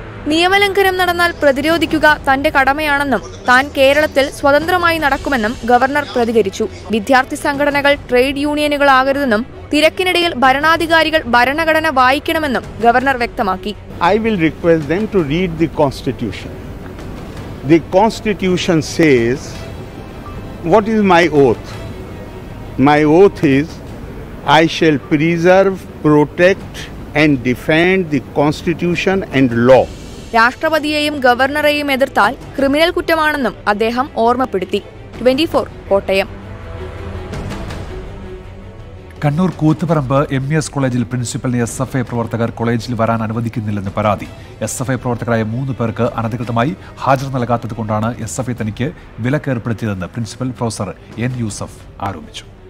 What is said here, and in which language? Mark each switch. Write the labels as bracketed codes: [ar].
[ml] നിയമലംഘനം നടന്നാൽ പ്രതിരോധിക്കുക തന്റെ കടമയാണെന്നും താൻ കേരളത്തിൽ സ്വതന്ത്രമായി നടക്കുമെന്നും ഗവർണർ പ്രതികരിച്ചു. വിദ്യാർത്ഥി സംഘടനകൾ ട്രേഡ് യൂണിയനുകളാകരുതെന്നും തിരക്കിനിടയിൽ ഭരണാധികാരികൾ ഭരണഘടന വായിക്കണമെന്നും ഗവർണർ വ്യക്തമാക്കി. [en] I will request them to read the constitution. The constitution says, what is my oath? My oath is, I shall preserve, protect and defend the constitution and law. [ml] രാഷ്ട്രപതിയെയും ഗവർണറെയും എതിർത്താൽ criminal കുറ്റമാണെന്നും അദ്ദേഹം ഓർമ്മപ്പെടുത്തി. 24 Kottayam. Kannur Koothuparamba M E S കോളേജിൽ പ്രിൻസിപ്പലിനെ S F I പ്രവർത്തകർ കോളേജിൽ വരാൻ അനുവദിക്കുന്നില്ലെന്ന് പരാതി. S F I പ്രവർത്തകരായ മൂന്ന് പേർക്ക് അനധികൃതമായി ഹാജർ നൽകാത്തത് കൊണ്ടാണ് എസ് എഫ് ഐ തനിക്ക് വിലക്കേർപ്പെടുത്തിയതെന്ന് പ്രിൻസിപ്പൽ പ്രൊഫസർ എൻ യൂസഫ് ആരോപിച്ചു.